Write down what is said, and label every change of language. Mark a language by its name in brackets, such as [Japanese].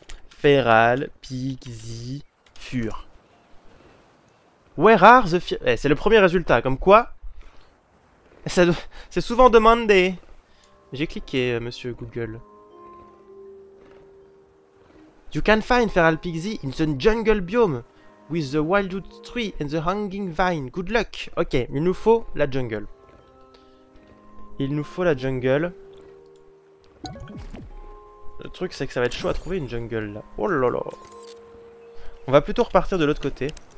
[English] Feral Pixie Fur. Where are the... [French] Eh, c'est le premier résultat, comme quoi... C'est souvent demandé. J'ai cliqué, monsieur Google. [English] You can find Feral Pixie in the jungle biome with the wildwood tree and the hanging vine. Good luck. [French] Ok, il nous faut la jungle. Il nous faut la jungle. Le truc, c'est que ça va être chaud à trouver une jungle là. Oh là là. On va plutôt repartir de l'autre côté.